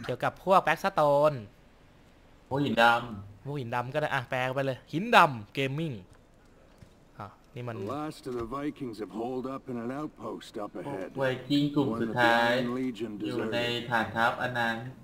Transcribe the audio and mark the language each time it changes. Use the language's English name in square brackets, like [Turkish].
[Thai] เกี่ยวกับพวก blackstone พวกหินดำ พวกหินดำก็ได้อ่ะแปลไปเลยหินดำ gaming [English] The last of the Vikings have holed up in an outpost up ahead. [Thai] Viking กลุ่มสุดท้ายอยู่ในฐานทัพอันนั้น